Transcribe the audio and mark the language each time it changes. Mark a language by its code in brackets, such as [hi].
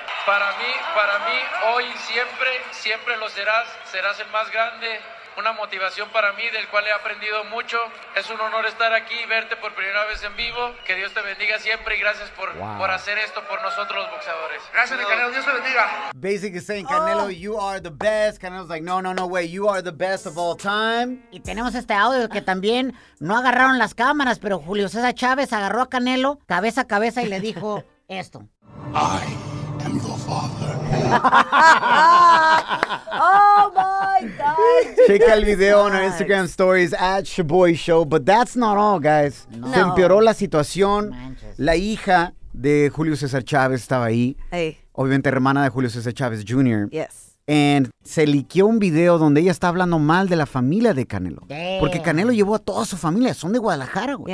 [es] Para mí, hoy siempre, siempre lo serás. Serás el más grande. Una motivación para mí, del cual he aprendido mucho. Es un honor estar aquí y verte por primera vez en vivo. Que Dios te bendiga siempre y gracias por, por hacer esto por nosotros los boxeadores. Gracias, mi Canelo. Dios te bendiga. [en] Basically saying, Canelo, you are the best. Canelo's like, no way. You are the best of all time. [es] Y tenemos este audio que también no agarraron las cámaras, pero Julio César Chávez agarró a Canelo cabeza a cabeza y le dijo esto. [en] Ay. Your father. Oh my God. Check out the video on our Instagram stories at Shaboy Show. But that's not all, guys. No. [es] Se empeoró la situación. Manches. La hija de Julio César Chávez estaba ahí. [en] Hey. [es] Obviamente, hermana de Julio César Chávez Jr. [en] Yes. And [es] se liqueó un video donde ella está hablando mal de la familia de Canelo. [en] Damn. [es] Porque Canelo llevó a toda su familia. Son de Guadalajara, güey.